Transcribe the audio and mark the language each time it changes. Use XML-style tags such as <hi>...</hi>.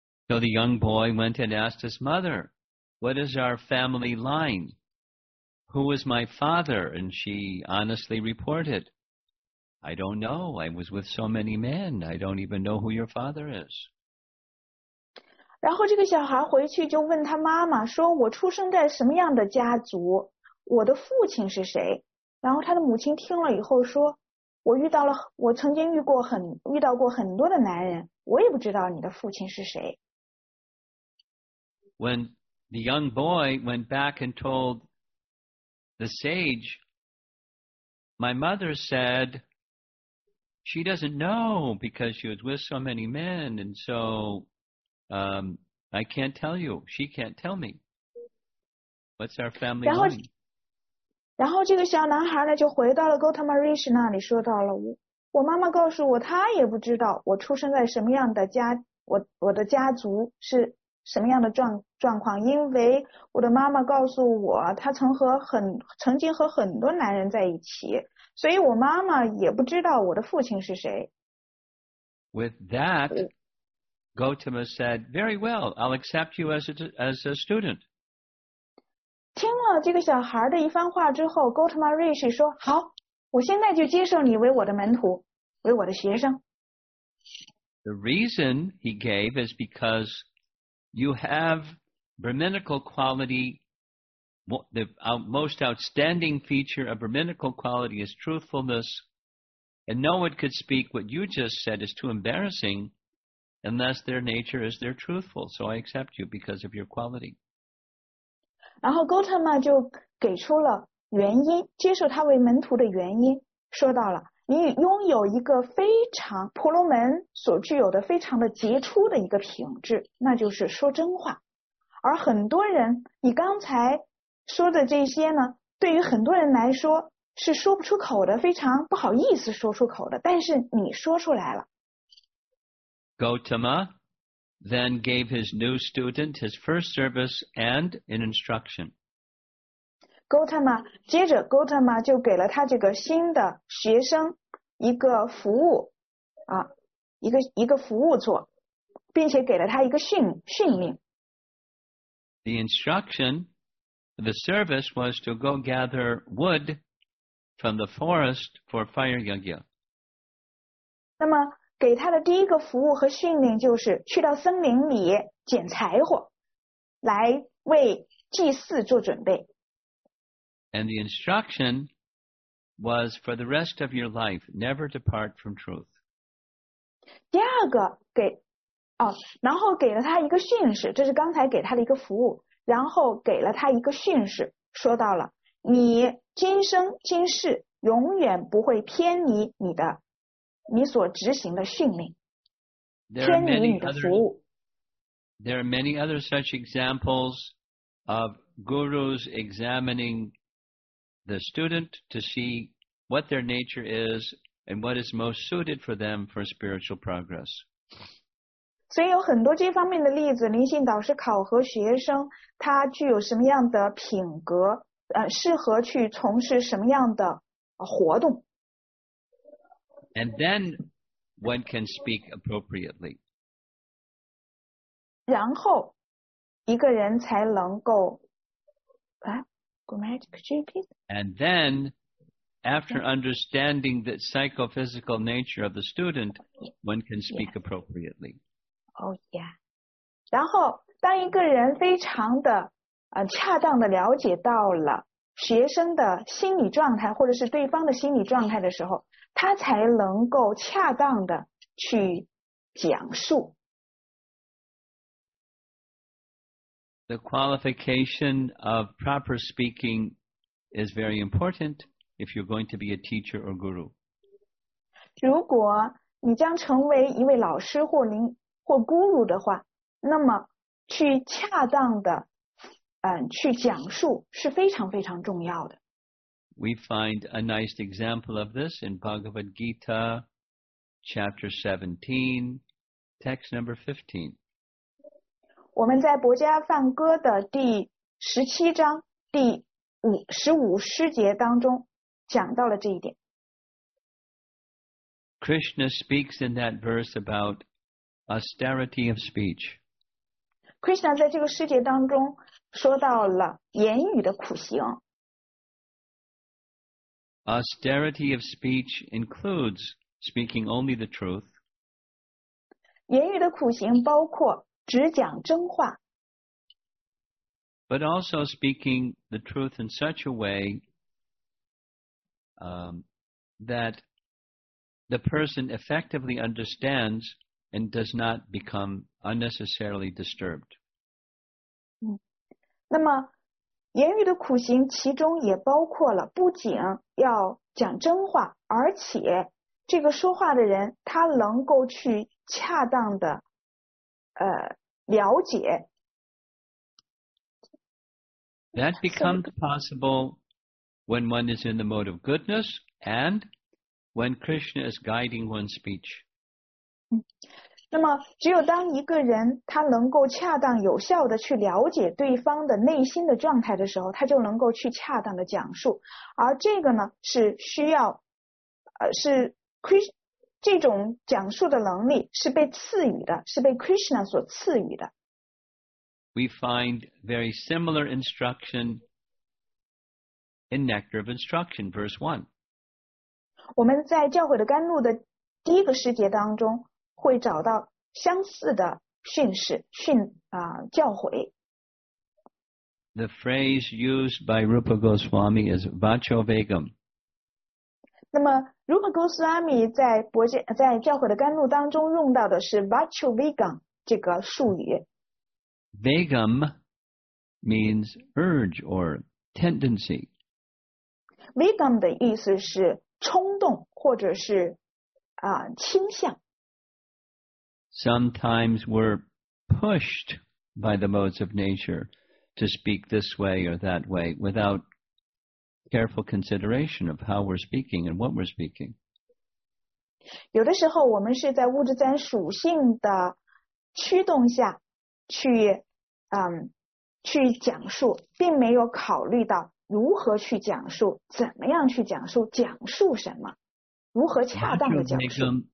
<en>So the young boy went and asked his mother, what is our family line? Who is my father? And she honestly reported, I don't know. I was with so many men. I don't even know who your father is.</en> <zh>然后这个小孩回去就问他妈妈说，我出生在什么样的家族？我的父亲是谁？然后他的母亲听了以后说，我曾经遇到过很多的男人，我也不知道你的父亲是谁。</zh> <en>When the young boy went back and told the sage, my mother said, she doesn't know because she was with so many men, and so, I can't tell you. She can't tell me. What's our family line?</en> <zh>然后这个小男孩呢，就回到了 Gautama Rishi 那里，说到了我妈妈告诉我，她也不知道我出生在什么样的家，我的家族是什么样的状况，因为我的妈妈告诉我，她曾经和很多男人在一起，所以我妈妈也不知道我的父亲是谁。</zh> <en>With that, Gautama said, "Very well, I'll accept you as a student."</en> <zh>听了这个小孩的一番话之后 ，Gautama Rishi 说：“好，我现在就接受你为我的门徒，为我的学生。”</zh> <en>The reason he gave is because you have brahminical quality. The most outstanding feature of brahminical quality is truthfulness. And no one could speak what you just said is too embarrassing unless their nature is their truthful. So I accept you because of your quality.</en> <zh>然后 Gautama 就给出了原因，接受他为门徒的原因，说到了你拥有一个非常婆罗门所具有的非常的杰出的一个品质，那就是说真话。而很多人，你刚才说的这些呢，对于很多人来说是说不出口的，非常不好意思说出口的，但是你说出来了。</zh> <en>Gautama then gave his new student his first service and an instruction.</en> <zh>Gautama, 接着 Gautama 就给了他这个新的学生一个服务啊，一个服务做，并且给了他一个训令。</zh> <en>The instruction, the service was to go gather wood from the forest for fire yagya.</en> <zh>那么给他的第一个服务和训练就是去到森林里捡柴火来为祭祀做准备。</zh> <en>And the instruction was for the rest of your life, never depart from truth.</en> <zh>第二个给哦，然后给了他一个训示，这是刚才给他的一个服务，然后给了他一个训示，说到了你今生今世永远不会偏离你所执行的训令，偏离你的服务。</zh> <en>There are many other such examples of gurus examining the student to see what their nature is and what is most suited for them for spiritual progress.</en> <zh>所以有很多这方面的例子，灵性导师考核学生他具有什么样的品格，适合去从事什么样的活动。</zh> <en>And then one can speak appropriately.</en> <zh>然后一个人才能够</zh> <en>grammatic GPS. And then, after understanding the psychophysical nature of the student, one can speak appropriately. Oh, yeah.</en> <zh>然后当一个人非常的恰当的了解到了学生的心理状态或者是对方的心理状态的时候，他才能够恰当的去讲述。</zh> <en>The qualification of proper speaking is very important if you're going to be a teacher or guru.</en> <zh>如果你将成为一位老师或您或 guru 的话，那么去恰当的去讲述是非常非常重要的。</zh> <en>We find a nice example of this in Bhagavad Gita, chapter 17, text number 15.</en> <zh>我们在《博伽梵歌》的第十七章第十五诗节当中讲到了这一点。</zh> <en>Krishna speaks in that verse about austerity of speech.</en> <zh>Krishna 在这个诗节当中说到了言语的苦行。</zh> <en>Austerity of speech includes speaking only the truth.</en> <zh>言语的苦行包括只讲真话。</zh> <en>But also speaking the truth in such a way, that the person effectively understands and does not become unnecessarily disturbed.</en> <zh>那么言语的苦行其中也包括了不仅要讲真话，而且这个说话的人他能够去恰当的了解。</zh> <en>That becomes possible when one is in the mode of goodness and when Krishna is guiding one's speech.</en> <zh>那么只有当一个人他能够恰当有效的去了解对方的内心的状态的时候，他就能够去恰当的讲述。而这个呢是需要是 这种讲述的能力是被赐予的，是被 Krishna 所赐予的。</zh> <en>We find very similar instruction in Nectar of Instruction, verse 1.</en> <zh>我们在教诲的甘露的第一个诗节当中会找到相似的训示训教诲。</zh> <en>The phrase used by Rupa Goswami is Vacho Vegam.</en> <zh>那么 Rupa Goswami 在教诲的甘露当中用到的是 Vacho Vegam 这个术语。</zh> <en>Vegam means urge or tendency.</en> <zh>Vegam 的意思是冲动或者是倾向。</zh> <en>Sometimes we're pushed by the modes of nature to speak this way or that way without careful consideration of how we're speaking and what we're speaking.</en> <zh>有的时候我们是在物质自然属性的驱动下去讲述，并没有考虑到如何去讲述，怎么样去讲述，讲述什么，如何恰当的讲述。</zh>